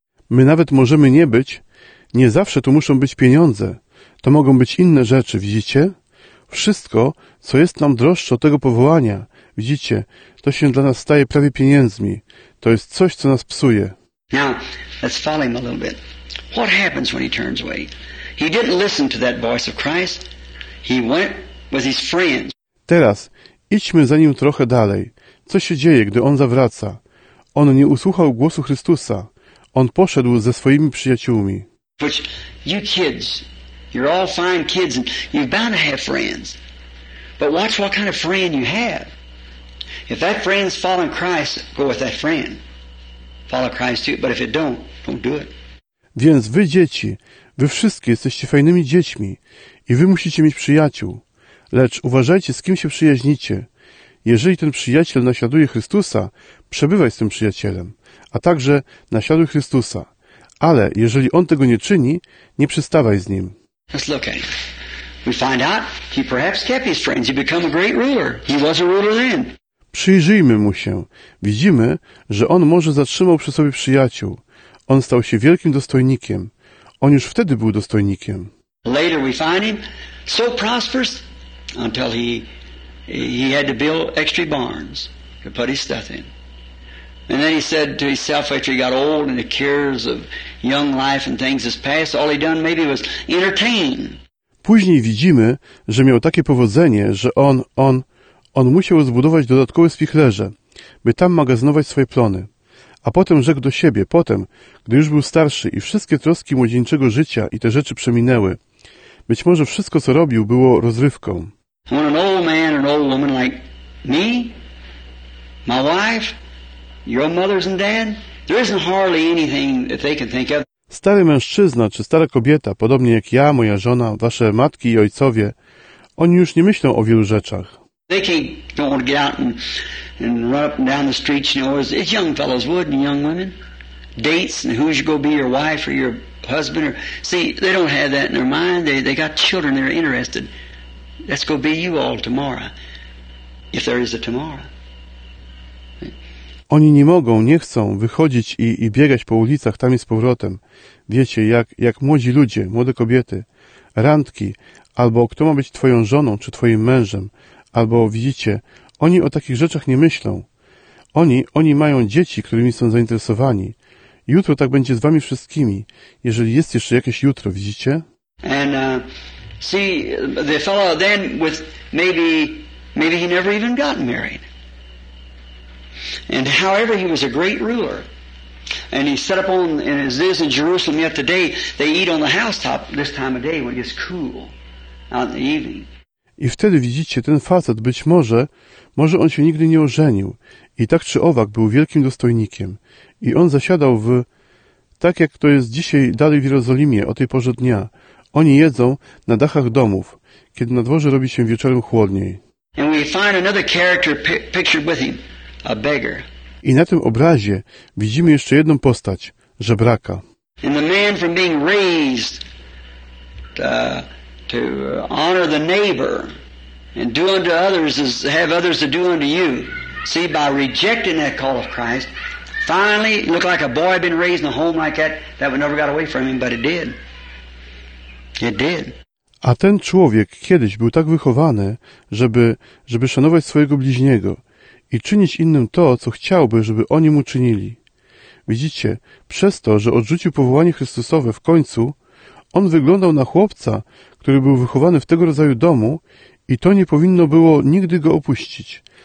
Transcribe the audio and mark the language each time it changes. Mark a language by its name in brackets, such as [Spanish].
[Polish] My nawet możemy nie być, nie zawsze to muszą być pieniądze, to mogą być inne rzeczy, widzicie? Wszystko, co jest nam droższe od tego powołania, widzicie, to się dla nas staje prawie pieniędzmi. To jest coś, co nas psuje. [English] Now, let's follow him a little bit. What happens when he turns away? He didn't listen to that voice of Christ. He went with his friends. [Polish] Teraz, idźmy za nim trochę dalej. Co się dzieje, gdy on zawraca? On nie usłuchał głosu Chrystusa. On poszedł ze swoimi przyjaciółmi. [English] Which you kids... You're all fine kids and you're bound to have friends. But watch what kind of friend you have. If that friend's following Christ, go with that friend. Follow Christ too, but if it don't do it. [Polish] Więc wy dzieci, wy wszystkie jesteście fajnymi dziećmi i wy musicie mieć przyjaciół. Lecz uważajcie, z kim się przyjaźnicie. Jeżeli ten przyjaciel naśladuje Chrystusa, przebywaj z tym przyjacielem, a także naśladuj Chrystusa. Ale jeżeli on tego nie czyni, nie przystawaj z nim. [English] Let's look at it. We find out he perhaps kept his friends. He became a great ruler. He was a ruler then. [Polish] Przyjrzyjmy mu się. Widzimy, że on może zatrzymał przy sobie przyjaciół. On stał się wielkim dostojnikiem. On już wtedy był dostojnikiem. [English] Later we find him so prosperous until he had to build extra barns to put his stuff in. And then he said to himself after he got old and the cares of young life and things has passed, all he done maybe was entertain. [Polish] Później widzimy, że miał takie powodzenie, że on musiał zbudować dodatkowe spichlerze, by tam magazynować swoje plony. A potem rzekł do siebie, potem, gdy już był starszy i wszystkie troski młodzieńczego życia i te rzeczy przeminęły, być może wszystko, co robił, było rozrywką. [English] When an old man, an old woman like me, my wife, your mothers and dad, there isn't hardly anything that they can think of. [Polish] Stary mężczyzna czy stara kobieta, podobnie jak ja, moja żona, wasze matki i ojcowie, oni już nie myślą o wielu rzeczach. [English] They can't want to get out and run up and down the streets, you know, as young fellows would and young women. Dates and who's going to be your wife or your husband. Or, see, they don't have that in their mind. They got children they're interested. That's going to be you all tomorrow, if there is a tomorrow. [Polish] Oni nie mogą, nie chcą wychodzić i biegać po ulicach tam i z powrotem. Wiecie, jak młodzi ludzie, młode kobiety, randki, albo kto ma być twoją żoną czy twoim mężem, albo widzicie, oni o takich rzeczach nie myślą. Oni mają dzieci, którymi są zainteresowani. Jutro tak będzie z wami wszystkimi, jeżeli jest jeszcze jakieś jutro, widzicie? [English] And see, the fellow then with maybe he never even got married. And however, he was a great ruler, and he set up on and as is in Jerusalem yet today, they eat on the housetop this time of day when it gets cool out in the evening. [Polish] I wtedy widzicie, ten facet być może on się nigdy nie ożenił i tak czy owak był wielkim dostojnikiem i on zasiadał w tak jak to jest dzisiaj dalej w Jerozolimie o tej porze dnia. Oni jedzą na dachach domów, kiedy na dworze robi się wieczorem chłodniej. [English] And we find another character pictured with him. A beggar. [Polish] I na tym obrazie widzimy jeszcze jedną postać, żebraka. [English] And the man from being raised to honor the neighbor and do unto others as have others to do unto you. See, by rejecting that call of Christ, finally looked like a boy been raised in a home like that, that would never got away from him, but it did. It did. [Polish] A ten człowiek kiedyś był tak wychowany, żeby szanować swojego bliźniego. I czynić innym to, co chciałby, żeby oni mu czynili. Widzicie, przez to, że odrzucił powołanie Chrystusowe w końcu, on wyglądał na chłopca, który był wychowany w tego rodzaju domu i to nie powinno było nigdy go opuścić.